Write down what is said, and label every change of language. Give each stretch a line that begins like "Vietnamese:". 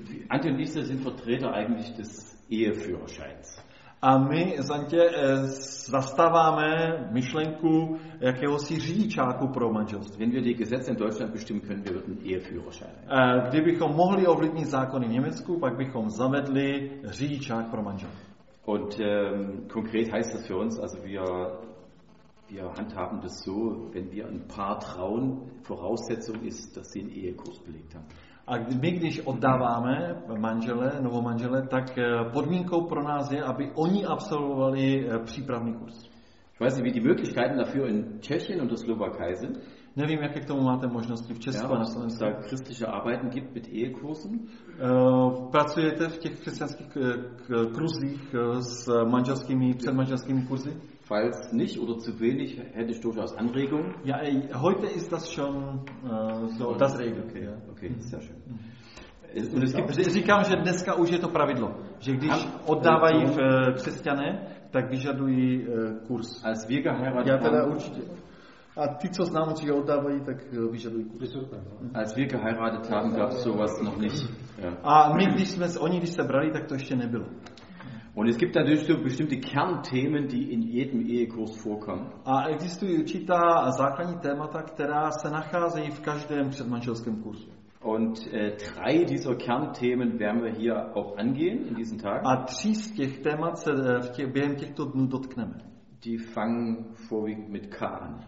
German: Antje und Lisa sind Vertreter eigentlich des Eheführerscheins.
Czech: A my, Zantě, zastáváme myšlenku jakéhosi řidičáku pro manželství.
German: Wenn wir die Gesetze in Deutschland bestimmen können, wir würden Eheführerschein.
Czech: Kdybychom mohli ovlivnit zákony v Německu, pak bychom zavedli řidičák pro manželství.
German: Und konkret heißt das für uns, also wir handhaben das so, wenn wir ein Paar trauen, Voraussetzung ist, dass sie einen Ehekurs belegt haben.
Czech: A my, když oddáváme manžele, novomanžele, tak podmínkou pro nás je, aby oni absolvovali přípravný kurz.
German: Ich weiß nicht, wie die Möglichkeiten dafür in Tschechien und der Slowakei sind.
Czech: Nevím, jaké k tomu máte možnosti v Česku a na Slovensku.
German: Da christliche Arbeiten gibt mit Ehekursen.
Czech: Pracujete v těch křesťanských kruzích s manželskými, předmanželskými kurzy?
German: Falls nicht oder zu wenig, hätte ich durchaus Anregungen. Ja, heute ist das schon so, und das Regel. Okay, ja. Okay, sehr schön. Und es gibt,
Czech: říkám, že dneska už je to pravidlo, že když oddávají v křesťané, tak vyžadují kurz.
German: Als wir geheiratet haben.
Czech: Ja, teda určitě. A ty, co znám, co je oddávají, tak vyžadují kurz.
German: Als wir geheiratet haben, gab es sowas noch nicht.
Czech: A my, když jsme, oni, když se brali, tak to ještě nebylo.
German: Und es gibt natürlich so bestimmte Kernthemen, die in jedem Ehekurs vorkommen.
Czech: A existují určitá základní témata, která se nacházejí v každém předmanželském kurzu.
German: Und drei dieser Kernthemen werden wir hier auch angehen in diesen Tagen.
Czech: A tři z těch témat se během těchto dnů dotkneme.
German: Die fangen vorwiegend mit K an.